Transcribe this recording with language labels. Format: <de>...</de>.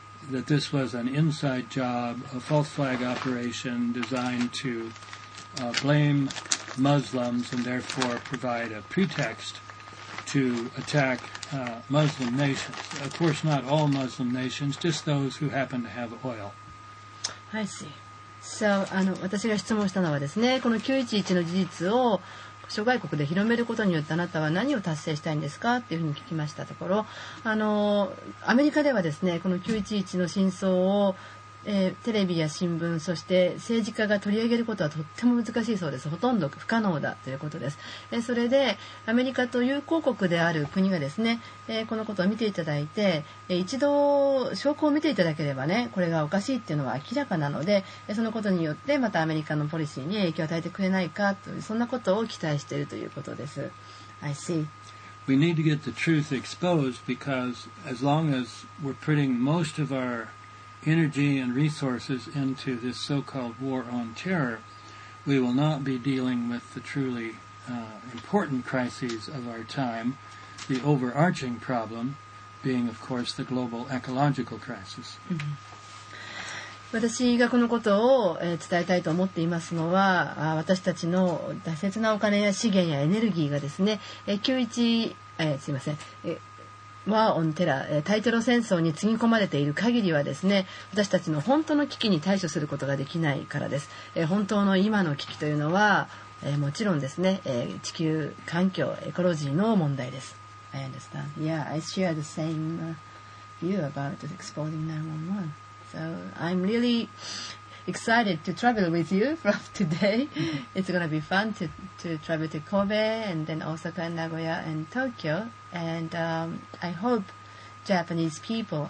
<en>that this was an inside job, a false flag operation designed to blame Muslims and therefore provide a pretext to attack Muslim nations. Of course, not all Muslim nations, just those who happen to have oil. I see.</en> <ja>So, 私が質問したのはですね、この911の事実を諸外国で広めることによってあなたは何を達成したいんですかというふうに聞きましたところ、アメリカではですね、この911の真相をテレビや新聞、そして政治家が取り上げることはとっても難しいそうです。ほとんど不可能だということです。それでアメリカと友好国である国がですね、このことを見ていただいて、一度証拠を見ていただければね、これがおかしいっていうのは明らかなので、そのことによってまたアメリカのポリシーに影響を与えてくれないか、というそんなことを期待しているということです。</ja> <en>I see。 We need to get the truth exposed because as long as we're putting most of our energy and resources into this so-called war on terror, we will not be dealing with the truly important crises of our time, the overarching problem being, of course, the global ecological crisis. Mm-hmm.</en> <ja>私がこのことを伝えたいと思っていますのは、私たちの大切なお金や資源やエネルギーがですね、ワーオンテラ、大テロ戦争につぎ込まれている限りはですね、私たちの本当の危機に対処することができないからです。本当の今の危機というのは、もちろんですね、地球環境エコロジーの問題です。</ja> <en>I understand. Yeah, I share the same view about exploding 911. So I'm really excited to travel with you from today. It's going to be fun to travel to Kobe and then Osaka and Nagoya and Tokyo. And I hope Japanese people...</en>